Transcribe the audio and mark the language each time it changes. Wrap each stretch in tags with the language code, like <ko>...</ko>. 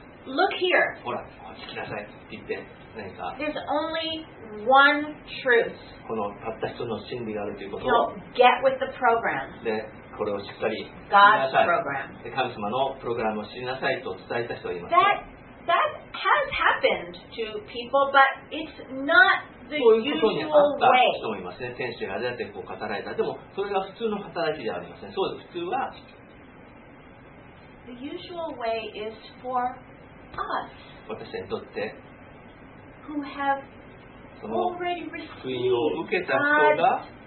<en>Look here.</en> <ja>ほら、こっち来なさいって言って何か。</ja> <en>There's only one truth.</en> <ja>このたった一つの真理があるということ。</ja> <en>So get with the program.</en> <ja>で、これをしっかり</ja> <en>God's program.</en> <ja>神様のプログラムを知りなさいと伝えた人がいます。</ja> <en>That has happened to people, but it's not the usual way.</en> <ja>そういうことにあった人もいますね。天使がこう語られた。でもそれが普通の働きではありません。そうです。普通は。</ja> <en>The usual way is for us.</en> <ja>私にとって。</ja> <en>Who have already received God's</en>